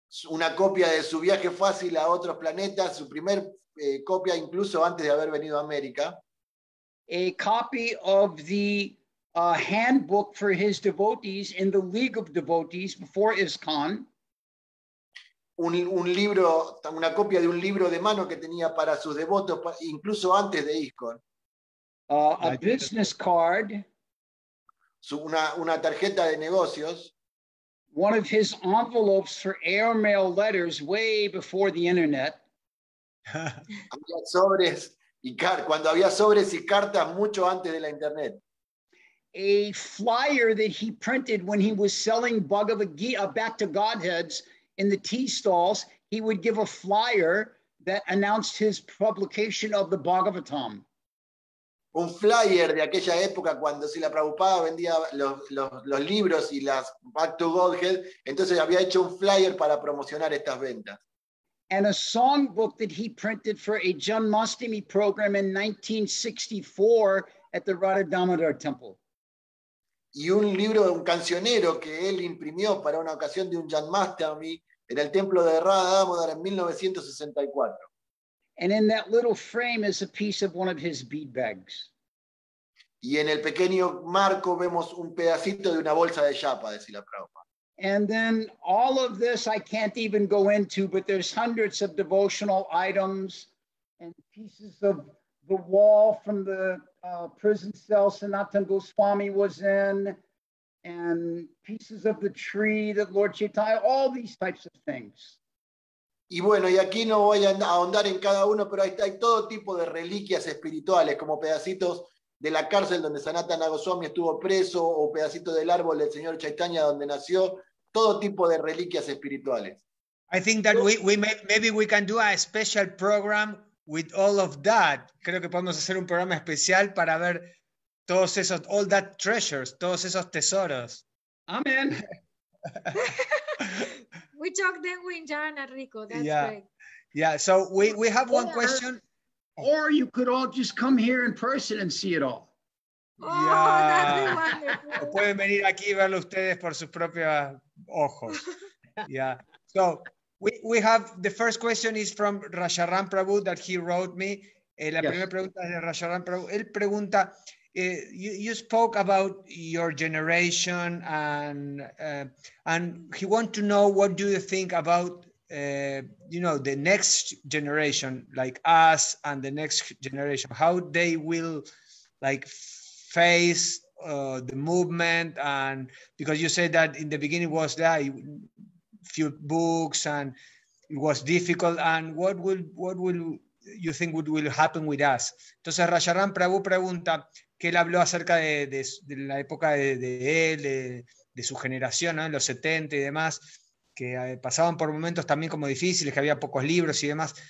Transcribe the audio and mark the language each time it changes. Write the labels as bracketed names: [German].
[Spanish] Una copia de su viaje fácil a otros planetas, su primer copia incluso antes de haber venido a América. [English] A copy of the handbook for his devotees in the League of Devotees before ISKCON. [Spanish] Un libro, una copia de un libro de mano que tenía para sus devotos incluso antes de ISKCON. [English] A business card. [Spanish] Una tarjeta de negocios. [English] One of his envelopes for airmail letters way before the internet. [Spanish] Había sobres. Cuando había sobres y cartas mucho antes de la internet. [English] A flyer that he printed when he was selling Bhagavad Gita back to Godheads in the tea stalls, he would give a flyer that announced his publication of the Bhagavatam. [Spanish] Un flyer de aquella época cuando Srila Prabhupada vendía los libros y las back to Godhead, entonces había hecho un flyer para promocionar estas ventas. [English] And a songbook that he printed for a Janmashtami program in 1964 at the Radha Damodar Temple. [Spanish] Y un libro, un cancionero que él imprimió para una ocasión de un Janmashtami en el templo de Radha Damodar en 1964. [English] And in that little frame is a piece of one of his bead bags. [Spanish] Y en el pequeño marco vemos un pedacito de una bolsa de yapa, de Srila Prabhupada. [English] And then all of this I can't even go into, but there's hundreds of devotional items and pieces of the wall from the prison cell Sanatana Goswami was in, and pieces of the tree that Lord Chaitanya, all these types of things. [Spanish] Y bueno, y aquí no voy a ahondar en cada uno, pero hay todo tipo de reliquias espirituales, como pedacitos de la cárcel donde Sanatana Goswami estuvo preso, o pedacitos del árbol del señor Chaitanya donde nació, todo tipo de reliquias espirituales. [English] I think that maybe we can do a special program with all of that. [Spanish] Creo que podemos hacer un programa especial para ver todos esos, [English] all that treasures, [Spanish] todos esos tesoros. [English] Amen. We talk then in Jana Rico. That's yeah. Great. Yeah, so we have one question. Or you could all just come here in person and see it all. Oh, yeah. That's wonderful. [Spanish] Pueden venir aquí y verlo ustedes por sus propios ojos. [English] Yeah. So we have the first question is from Rajaram Prabhu that he wrote me. La yes. [Spanish] Primera pregunta es de Rajaram Prabhu. Él pregunta, [English] you spoke about your generation and he want to know what do you think about the next generation, like us and the next generation, how they will like face the movement, and because you said that in the beginning was there a few books and it was difficult, and what will you think will happen with us? [Spanish] Entonces Rajaram Prabhu pregunta que él habló acerca de la época de él, de su generación, ¿no? En los 70 y demás, que pasaban por momentos también como difíciles, que había pocos libros y demás.